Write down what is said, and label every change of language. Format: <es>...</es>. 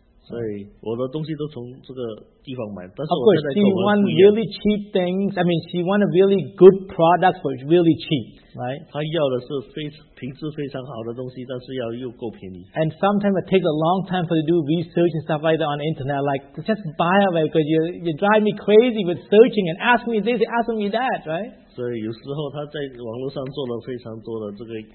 <zh>所以我的东西都从这个地方买，但是我现在跟我的不一样。</zh> <en>Of course, she wants really cheap things. I mean, she wants a really good product for really cheap, right?</en> <zh>她要的是非品质非常好的东西，但是要又够便宜。</zh> <en>And sometimes it takes a long time for you to do research and stuff like that on the internet. Like just buy it because you drive me crazy with searching and ask me this, ask me that, right?</en> <zh>所以有时候她在网络上做了非常多的这个。</zh>